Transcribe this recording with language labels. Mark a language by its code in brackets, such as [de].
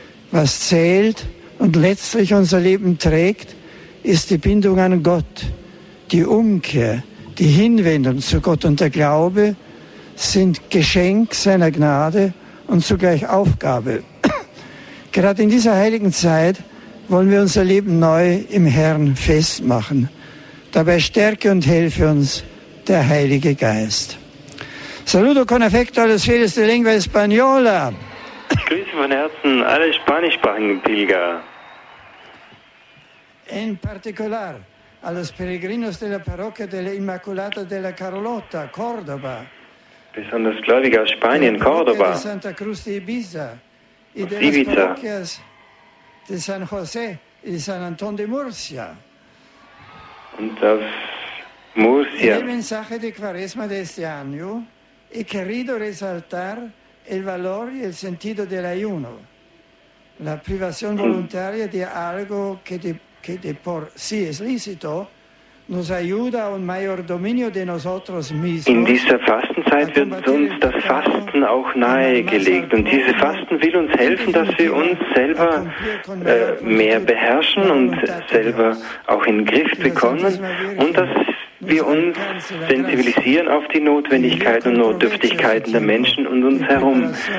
[de] Was zählt und letztlich unser Leben trägt, ist die Bindung an Gott, die Umkehr, die Hinwendung zu Gott und der Glaube sind Geschenk seiner Gnade und zugleich Aufgabe. Gerade in dieser heiligen Zeit wollen wir unser Leben neu im Herrn festmachen. Dabei stärke und helfe uns der Heilige Geist. [es] Saludo con affecto a los fieles de lengua española. [de] Grüße von Herzen alle spanischsprachigen Pilger. [es] In particular a los peregrinos de la parroquia de la Inmaculada de la Carlota, Córdoba. [de] besonders Gläubige aus Spanien, Córdoba, aus Ibiza, [es] de San José y San Antón de Murcia. [de] Und aus Murcia. [es] El mensaje de Cuaresma de este año he querido resaltar el valor y el sentido del ayuno, la privación voluntaria de algo que de por sí es lícito. [de] In dieser Fastenzeit wird uns das Fasten auch nahegelegt. Und diese Fasten will uns helfen, dass wir uns selber mehr beherrschen und selber auch in den Griff bekommen und dass wir uns sensibilisieren auf die Notwendigkeiten und Notdürftigkeiten der Menschen um uns herum.